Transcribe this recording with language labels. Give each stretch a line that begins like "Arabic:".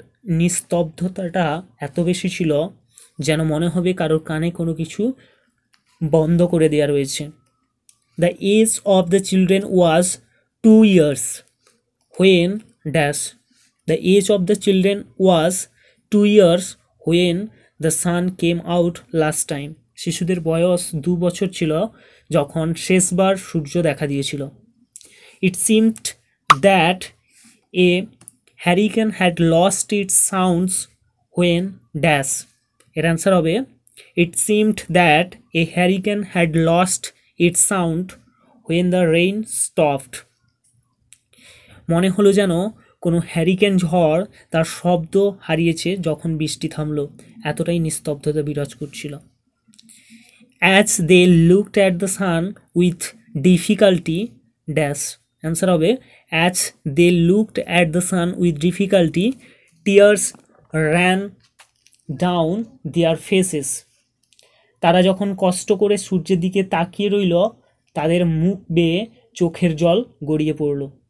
Bangla: নিস্তব্ধতাটা এত বেশি ছিল যেন মনে হবে কারোর কানে কোনো কিছু বন্ধ করে দেওয়া রয়েছে
English: the age of the children was two years when dash the age of the children was two years when the sun came out last time
Bangla: শিশুদের বয়স দু বছর ছিল যখন শেষবার সূর্য দেখা দিয়েছিল
English: It seemed that a hurricane had lost its sounds when dash. Your answer
Bangla: হবে
English: it seemed that a hurricane had lost its sound when the rain stopped.
Bangla: মনে হলো যেন কোনো হ্যারিকেন ঝড় তার শব্দ হারিয়েছে যখন বৃষ্টি থামলো, এতটাই নিস্তব্ধতা বিরাজ করছিল।
English: as they looked at the sun with difficulty dash answer
Bangla: হবে
English: as they looked at the sun with difficulty tears ran down their faces
Bangla: তারা যখন কষ্ট করে সূর্যের দিকে তাকিয়ে রইল তাদের মুখ বেয়ে চোখের জল গড়িয়ে পড়ল।